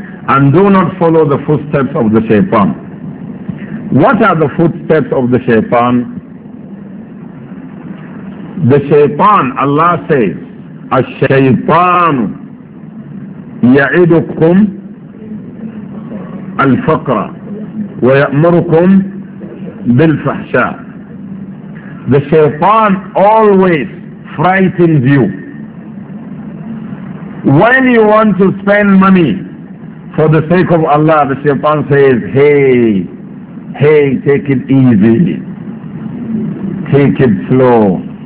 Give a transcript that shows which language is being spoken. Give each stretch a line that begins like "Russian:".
English: And do not follow the footsteps of the shaytan. What are the footsteps of the shaytan? The shaytan, Allah says,
Arabic: الشَّيْطَانُ يَعِدُكُمْ الفقر ويأمركم بالفحشاء.
English: The shaitan always frightens you. When you want to spend money for the sake of Allah, the shaitan says, hey, take it easy, take it slow.